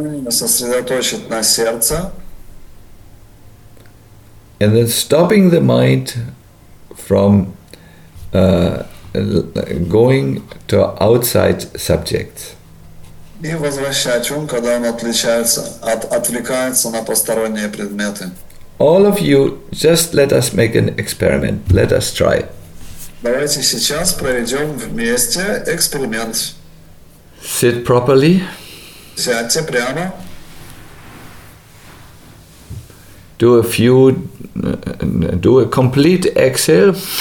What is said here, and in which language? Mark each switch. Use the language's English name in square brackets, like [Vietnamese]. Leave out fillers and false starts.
[Russian] Сосредоточить на сердце. [English] And then stopping the mind from going to outside subjects. [Russian] И возвращать ум, когда он отвлекается на посторонние предметы. [English] All of you, just let us make an experiment. Let us try. [Russian] Давайте сейчас проведем вместе эксперимент. [English] Sit properly. [Russian] Сядьте прямо. [English] Do a complete exhale.